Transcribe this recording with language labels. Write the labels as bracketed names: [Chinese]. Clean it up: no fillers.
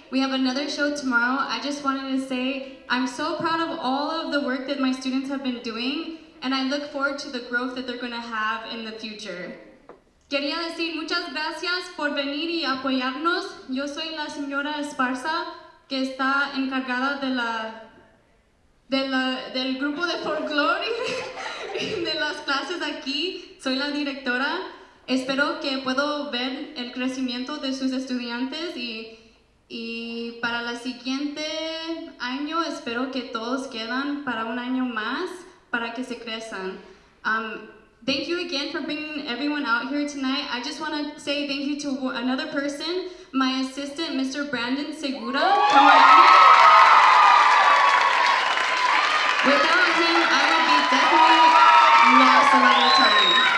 [English] Tomorrow, I just wanted to say I'm so proud of all of the work that my students have been doing, and I look forward to the growth that they're going to have in the future. [Spanish] Quería decir muchas gracias por venir y apoyarnos. Yo soy la señora Esparza, que está encargada de del grupo de folclore de las clases aquí. Soy la directora. Espero que puedo ver el crecimiento de sus estudiantes y para el siguiente año espero que todos quedan para un año más para que se crezcan. [English] Thank you again for bringing everyone out here tonight. I just want to say thank you to another person, my assistant, Mr. Brandon Segura. Without him, I would be definitely lost a lot of time.